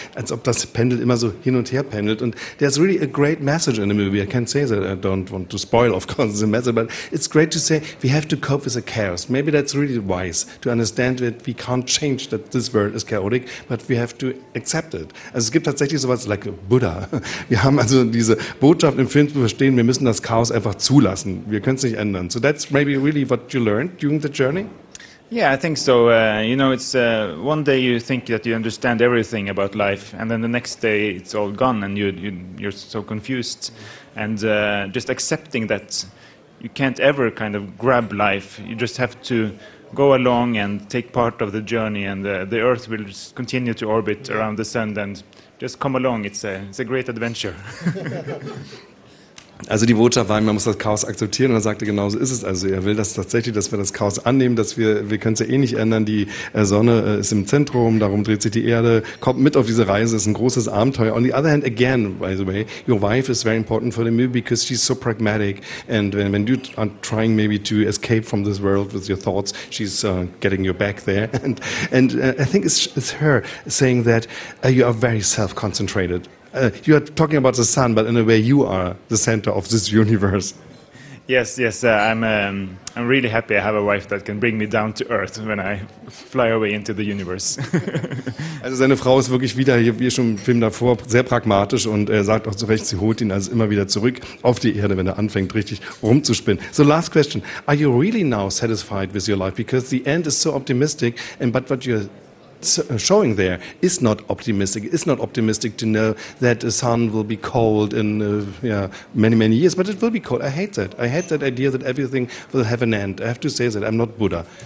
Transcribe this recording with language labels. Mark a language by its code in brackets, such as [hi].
[de] als ob das Pendel immer so hin und her pendelt, und [en] there's really a great message in the movie, I can't say that, I don't want to spoil, of course, the message, but it's great to say, we have to cope with the chaos, maybe that's really why. To understand that we can't change, that this world is chaotic, but we have to accept it. [de] Also es gibt tatsächlich sowas [en] like a Buddha. [de] Wir haben also diese Botschaft im Film zu verstehen, wir müssen das Chaos einfach zulassen. Wir können es nicht ändern. [en] So that's maybe really what you learned during the journey? Yeah, I think so. You know, it's one day you think that you understand everything about life, and then the next day it's all gone and you're so confused. And just accepting that you can't ever kind of grab life, you just have to go along and take part of the journey, and the Earth will just continue to orbit around the sun, and just come along. It's a great adventure. [de] Also die Botschaft war, man muss das Chaos akzeptieren, und er sagte, genau so ist es. Also er will das tatsächlich, dass wir das Chaos annehmen, dass wir können es ja eh nicht ändern. Die Sonne ist im Zentrum, darum dreht sich die Erde, kommt mit auf diese Reise, ist ein großes Abenteuer. [en] On the other hand, again, by the way, your wife is very important for the movie because she's so pragmatic, and when you are trying maybe to escape from this world with your thoughts, she's getting you back there. And I think it's her saying that you are very self-concentrated. You are talking about the sun, but in a way you are the center of this universe. Yes, I'm really happy I have a wife that can bring me down to earth when I fly away into the universe. [de] Also seine Frau ist wirklich wieder, wie schon im Film davor, sehr pragmatisch, und er sagt auch zu Recht, sie holt ihn also immer wieder zurück auf die Erde, wenn er anfängt richtig rumzuspinnen. [en] So last question, are you really now satisfied with your life? Because the end is so optimistic, but what you're showing there is not optimistic. It's not optimistic to know that the sun will be cold in many, many years, but it will be cold. I hate that. I hate that idea that everything will have an end. I have to say that I'm not Buddha.